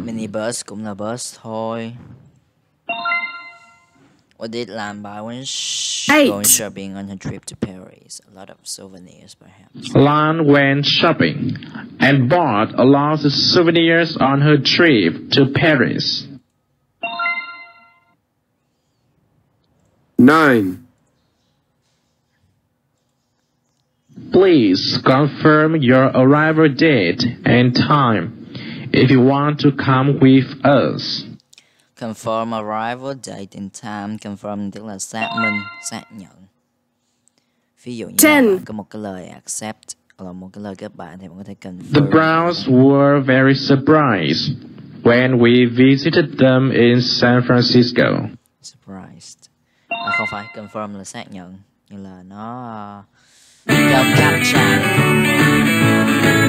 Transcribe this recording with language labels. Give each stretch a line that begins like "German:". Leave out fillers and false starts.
Vietnamese: Minibus cũng là bus thôi.
English: What did Lan buy when going shopping on her trip to Paris? A lot of souvenirs, perhaps. Lan went shopping and bought a lot of souvenirs on her trip to Paris. Nine. Please confirm your arrival date and time if you want to come with us. Confirm arrival date and time.
Vietnamese: Confirm tức là xác minh, xác nhận. Ví dụ như
English: Ten.
Vietnamese: Có một cái lời accept hoặc là một cái lời kết bạn thì bạn có thể confirm.
English: The Browns were very surprised when we visited them in San Francisco. Surprised.
Vietnamese: À, không phải, confirm là xác nhận. Như là nó...
English: Don't capture.